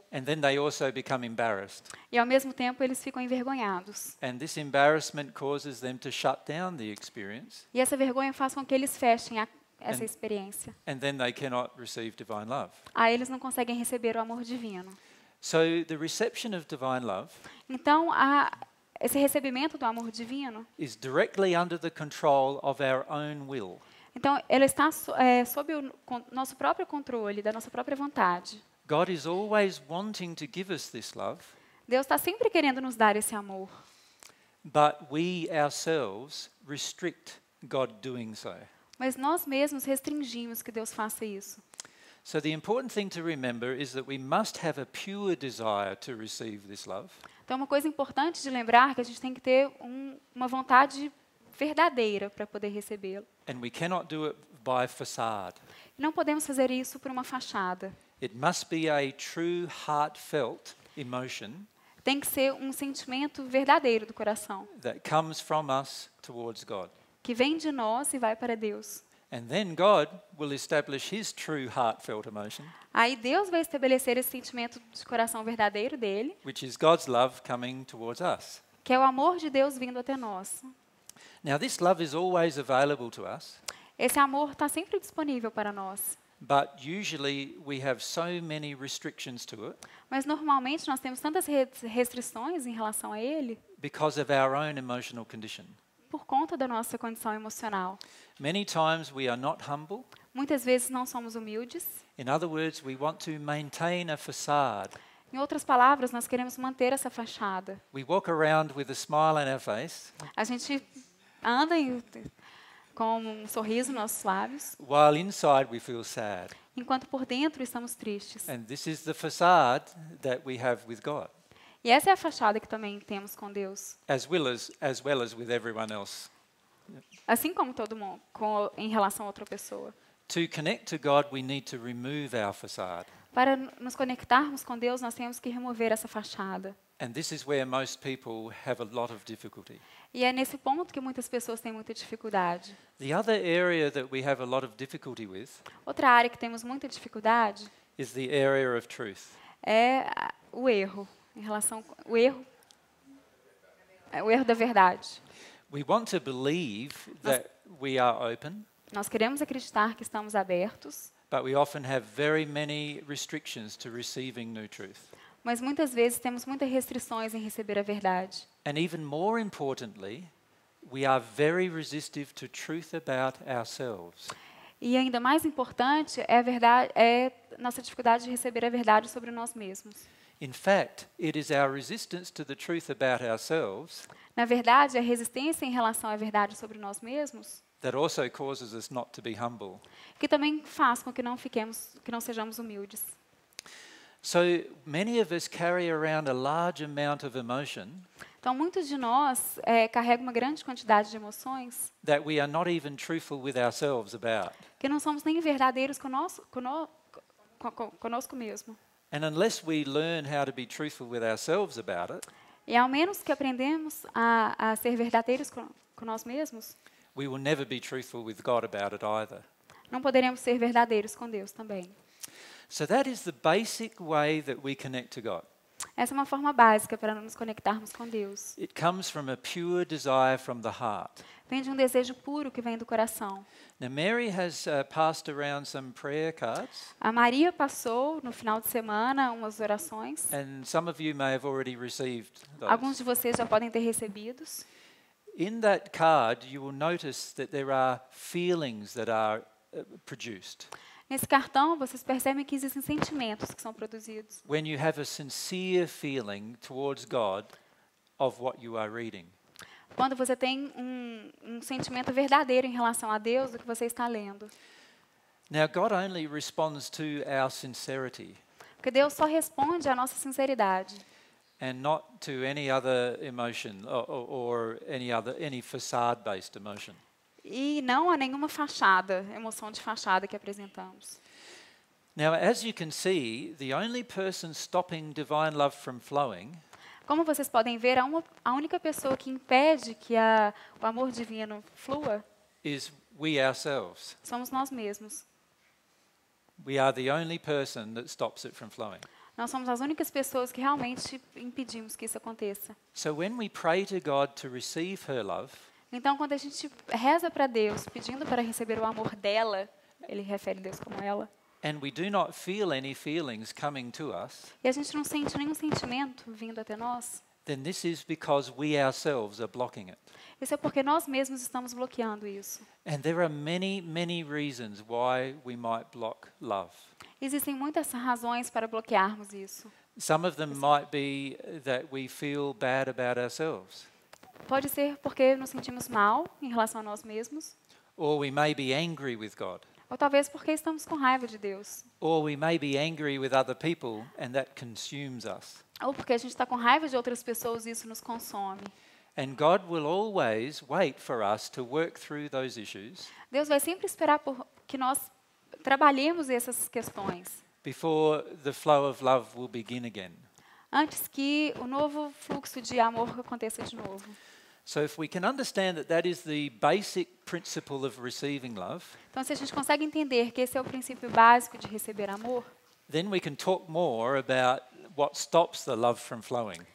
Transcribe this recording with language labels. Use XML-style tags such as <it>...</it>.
<en>And then they also become embarrassed.</en> <pt>E ao mesmo tempo eles ficam envergonhados.</pt> <en>And this embarrassment causes them to shut down the experience.</en> <pt>E essa vergonha faz com que eles fechem essa experiência.</pt> <en>And then they cannot receive divine love.</en> <pt>Aí eles não conseguem receber o amor divino.</pt> <en>So the reception of divine love.</en> <pt>Então esse recebimento do amor divino</pt> <en>is directly under the control of our own will.</en> <pt>Então, ele está sob o nosso próprio controle, da nossa própria vontade.</pt> <en>God is always wanting to give us this love.</en> <pt>Deus está sempre querendo nos dar esse amor.</pt> <en>But we ourselves restrict God doing so.</en> <pt>Mas nós mesmos restringimos que Deus faça isso.</pt> <en>So the important thing to remember is that we must have a pure desire to receive this love.</en> <pt>Então, uma coisa importante de lembrar é que a gente tem que ter uma vontade verdadeira para poder recebê-lo.</pt> <en>And we cannot do it by facade.</en> <pt>Não podemos fazer isso por uma fachada.</pt> <en>It must be a true heartfelt emotion.</en> <pt>Tem que ser sentimento verdadeiro do coração.</pt> <en>That comes from us towards God.</en> <pt>Que vem de nós e vai para Deus.</pt> <en>And then God will establish his true heartfelt emotion.</en> <pt>Aí Deus vai estabelecer esse sentimento de coração verdadeiro dele.</pt> <en>Which is God's love coming towards us.</en> <pt>Que é o amor de Deus vindo até nós.</pt> <en>Now this love is always available to us.</en> <pt>Esse amor está sempre disponível para nós.</pt> <en>But usually we have so many restrictions to it.</en> <pt>Mas normalmente nós temos tantas restrições em relação a ele.</pt> <en>Because of our own emotional condition.</en> <pt>Por conta da nossa condição emocional.</pt> <en>Many times we are not humble.</en> <pt>Muitas vezes não somos humildes.</pt> <en>In other words, we want to maintain a facade.</en> <pt>Em outras palavras, nós queremos manter essa fachada.</pt> <en>We walk around with a smile on our face.</en> <pt>A gente anda com sorriso nos nossos lábios.</pt> <en>While inside we feel sad.</en> <pt>Enquanto por dentro estamos tristes.</pt> <en>And this is the facade that we have with God.</en> <pt>E essa é a fachada que também temos com Deus.</pt> <en>As well as with everyone else.</en> <pt>Assim como todo mundo, em relação a outra pessoa.</pt> <en>To connect to God, we need to remove our facade.</en> <pt>Para nos conectarmos com Deus, nós temos que remover essa fachada.</pt> <en>And this is where most people have a lot of difficulty.</en> <pt>E é nesse ponto que muitas pessoas têm muita dificuldade.</pt> <en>The other area that we have a lot of difficulty with.</en> <pt>Outra área que temos muita dificuldade.</pt> <en>Is the area of truth.</en> <pt>É o erro. Em relação ao erro. É o erro da verdade.</pt> <en>We want to believe that we are open.</en> <pt>Nós queremos acreditar que estamos abertos.</pt> <en>But we often have very many restrictions to receiving new truth.</en> <pt>Mas muitas vezes temos muitas restrições em receber a verdade.</pt> <en>And even more importantly, we are very resistive to truth about ourselves.</en> <pt>E ainda mais importante é a verdade, é nossa dificuldade de receber a verdade sobre nós mesmos.</pt> <en>In fact, it is our resistance to the truth about ourselves.</en> <pt>Na verdade, a resistência em relação à verdade sobre nós mesmos.</pt> <en>That also causes us not to be humble.</en> <pt>Que também faz com que não fiquemos, que não sejamos humildes.</pt> <en>So many of us carry around a large amount of emotion.</en> <pt>Então muitos de nós carregam uma grande quantidade de emoções.</pt> <en>That we are not even truthful with ourselves about.</en> <pt>Que não somos nem verdadeiros conosco mesmo.</pt> <en>And unless we learn how to be truthful with ourselves about it.</en> <pt>E ao menos que aprendemos a ser verdadeiros com nós mesmos.</pt> <en>We will never be truthful with God about it either.</en> <pt>Não poderemos ser verdadeiros com Deus também.</pt> <en>So that is the basic way that we connect to God.</en> <pt>Essa é uma forma básica para nos conectarmos com Deus.</pt> <en>It comes from a pure desire from the heart.</en> <pt>Vem de desejo puro que vem do coração.</pt> <en>Now Mary has passed around some prayer cards.</en> <pt>A Maria passou no final de semana umas orações.</pt> <en>And some of you may have already received those.</en> <pt>Alguns de vocês já podem ter recebido.</pt> <en>In that card, you will notice that there are feelings that are produced.</en> <pt>Nesse cartão, vocês percebem que existem sentimentos que são produzidos.</pt> <en>When you have a sincere feeling towards God of what you are reading.</en> <pt>Quando você tem sentimento verdadeiro em relação a Deus do que você está lendo.</pt> <en>Now God only responds to our sincerity.</en> <pt>Porque Deus só responde à nossa sinceridade.</pt> <en>And not to any other emotion or any facade based emotion.</en> <pt>E não há nenhuma fachada, emoção de fachada que apresentamos.</pt> <en>Now, as you can see, the only person stopping divine love from flowing.</en> <pt>Como vocês podem ver, a única pessoa que impede que o amor divino flua</pt> <en>is we ourselves.</en> <pt>Somos nós mesmos.</pt> <en>We are the only person that stops it from flowing.</en> <pt>Nós somos as únicas pessoas que realmente impedimos que isso aconteça.</pt> <en>So when we pray to God to receive her love,</en> <pt>então quando a gente reza para Deus pedindo para receber o amor dela, ele refere Deus como ela.</pt> <en>And we do not feel any feelings coming to us.</en> <pt>E a gente não sente nenhum sentimento vindo até nós.</pt> <en>Then this is because we ourselves are blocking it.</en> <pt>Isso é porque nós mesmos estamos bloqueando isso.</pt> <en>And there are many, many reasons why we might block love.</en> <pt>Existem muitas razões para bloquearmos isso.</pt> <en>Some of them might be that we feel bad about ourselves.</en> <pt>Pode ser porque nos sentimos mal em relação a nós mesmos.</pt> <en>Or we may be angry with God.</en> <pt>Ou talvez porque estamos com raiva de Deus.</pt> <en>Or we may be angry with other people and that consumes us.</en> <pt>Ou porque a gente está com raiva de outras pessoas e isso nos consome.</pt> <en>And God will always wait for us to work through those issues.</en> <pt>Deus vai sempre esperar por que nós trabalhemos essas questões.</pt> <en>Before the flow of love will begin again.</en> <pt>Antes que o novo fluxo de amor aconteça de novo.</pt> <en>So if we can understand that that is the basic principle of receiving love.</en> <pt>Então se a gente consegue entender que esse é o princípio básico de receber amor.</pt> <en>Then we can talk more about what stops the love from flowing.</en>